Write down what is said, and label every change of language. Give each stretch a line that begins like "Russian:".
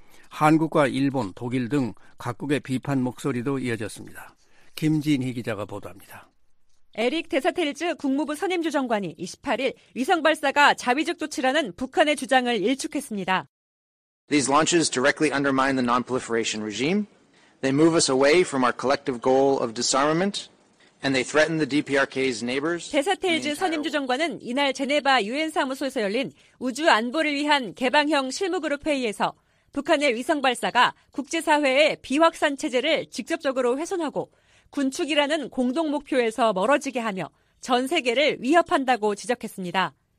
Korean: 한국과 일본, 독일 등 각국의 비판 목소리도 이어졌습니다. 김진희 기자가 보도합니다. 에릭 데사텔즈 국무부 선임주 장관이 28일 위성 발사가 자위적 조치라는 북한의 주장을 일축했습니다.
English: These launches directly undermine the non-proliferation regime. They move us away from our collective goal of disarmament. And they threaten the DPRK's neighbors.
Korean: 데사텔즈 선임주 장관은 이날 제네바 유엔 사무소에서 열린 우주 안보를 위한 개방형 실무 그룹 회의에서 북한의 위성 발사가 국제사회의 비확산 체제를 직접적으로 훼손하고 군축이라는 공동 목표에서 멀어지게 하며 전 세계를 위협한다고 지적했습니다.